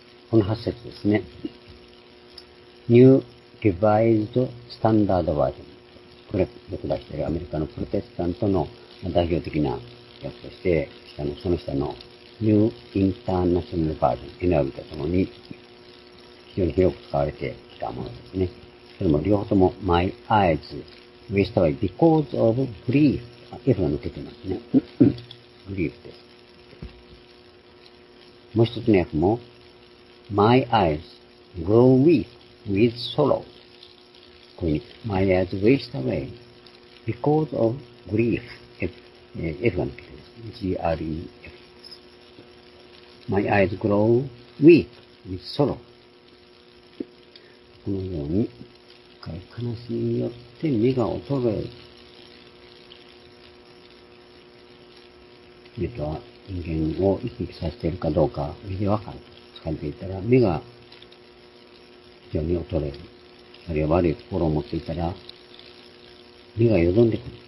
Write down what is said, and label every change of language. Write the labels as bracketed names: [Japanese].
[Japanese] この8節ですね。New Revised Standard Version。これ、僕が出しているアメリカのプロテスタントの代表的な訳として、その下の New International Version、NIV とともに非常に広く使われてきたものですね。それも両方とも [English] My Eyes Wasted Away Because of Grief。 [Japanese] F が抜けてますね。Grief です。もう一つの訳も、 [English] My eyes grow weak with sorrow. My eyes waste away because of grief. [Japanese] F が抜けてます。G-R-E-F です。 [English] My eyes grow weak with sorrow. [Japanese] このように、深い悲しみによって目が衰える。目とは人間を生き生きさせているかどうか、目でわかる。感じていたら目が非常に衰える、あるいは悪い心を持っていたら目が淀んでくる。